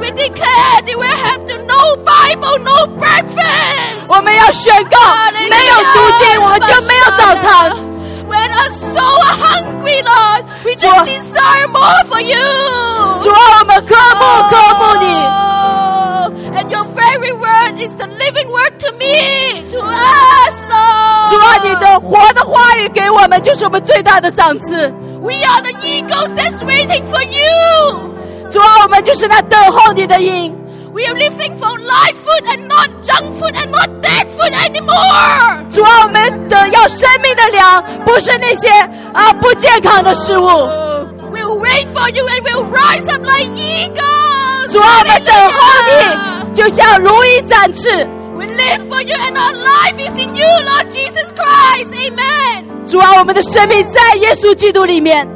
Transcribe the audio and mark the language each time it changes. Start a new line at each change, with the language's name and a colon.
English: We declare that we have to no Bible, no breakfast.
Chinese: 我们要宣告, 没有读经, 我就没有早餐.
English: When our soul are hungry, Lord, we just
Chinese: 主啊,
English: desire more for you.
Chinese: 主啊, 我们渴慕, 渴慕你.
English: And your very word is the living word to me, to us, Lord.
Chinese: 主啊, 你的活的话语给我们, 就是我们最大的赏赐.
English: We are the eagles that's waiting for you.
Chinese: 主啊, 我们就是那等候你的鹰.
English: We are living for live food and not junk food and not dead food anymore.
Chinese: 主啊, 我们得要生命的粮, 不是那些, 啊, 不健康的食物.
English: We'll wait for you and we'll rise up like eagles.
Chinese: 主啊, 我们等候你, 就像如意展翅.
English: We live for you and our life is in you, Lord Jesus Christ. Amen.
Chinese: 主啊, 我们的生命在耶稣基督里面.